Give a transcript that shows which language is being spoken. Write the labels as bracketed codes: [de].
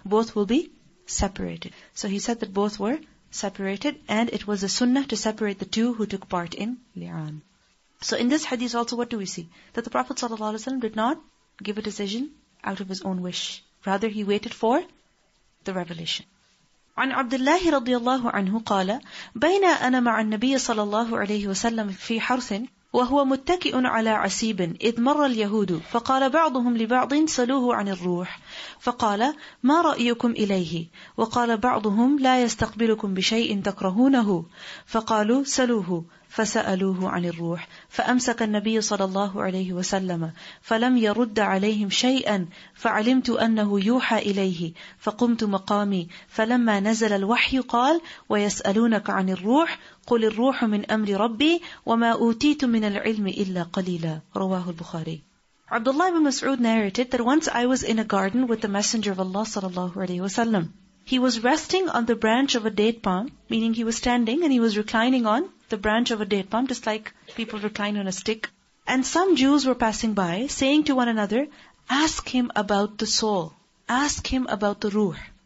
[en] Both will be separated. So he said that both were separated, and it was a sunnah to separate the two who took part in li'an. So in this hadith also, what do we see? That the Prophet ﷺ did not give a decision out of his own wish. Rather, he waited for the revelation. [ar] عن عبد الله رضي الله عنه قال بين أنا مع النبي صلى الله عليه وسلم في حرث وهو متكئ على عسيب إذ مر اليهود فقال بعضهم لبعض سلوه عن الروح فقال ما رأيكم إليه وقال بعضهم لا يستقبلكم بشيء تكرهونه فقالوا سلوه فسألوه عن الروح فأمسك النبي صلى الله عليه وسلم فلم يرد عليهم شيئا فعلمت أنه يوحى إليه فقمت مقامي فلما نزل الوحي قال ويسألونك عن الروح قل الروح من أمر ربي وما أوتيت من العلم إلا قليلا رواه البخاري. [en] Abdullah ibn Mas'ud narrated that once I was in a garden with the Messenger of Allah [ar] صلى الله عليه وسلم. [en] He was resting on the branch of a date palm, meaning he was standing and he was reclining on the branch of a date palm, just like people recline on a stick. And some Jews were passing by, saying to one another, ask him about the soul, ask him about the ruh.